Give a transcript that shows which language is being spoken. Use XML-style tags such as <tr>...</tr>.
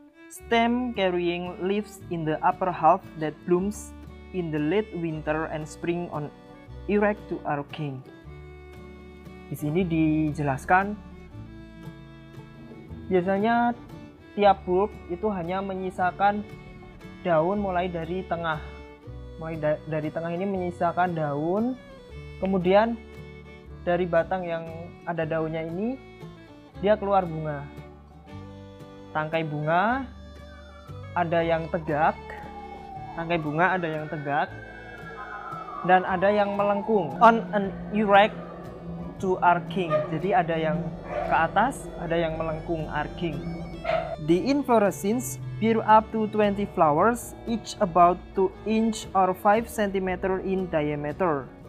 <en>Stem carrying leaves in the upper half that blooms in the late winter and spring on erect to arcing.</en> <id>Di sini dijelaskan biasanya tiap bulb itu hanya menyisakan daun mulai dari tengah. Mulai dari tengah ini menyisakan daun. Kemudian dari batang yang ada daunnya ini dia keluar bunga. Tangkai bunga ada yang tegak, tangkai bunga ada yang tegak, dan ada yang melengkung.</id> <en>On an erect to arcing,</en> <id>jadi ada yang ke atas, ada yang melengkung, arcing.</id> <en>The inflorescence bear up to 20 flowers, each about 2 inch or 5 cm in diameter.</en>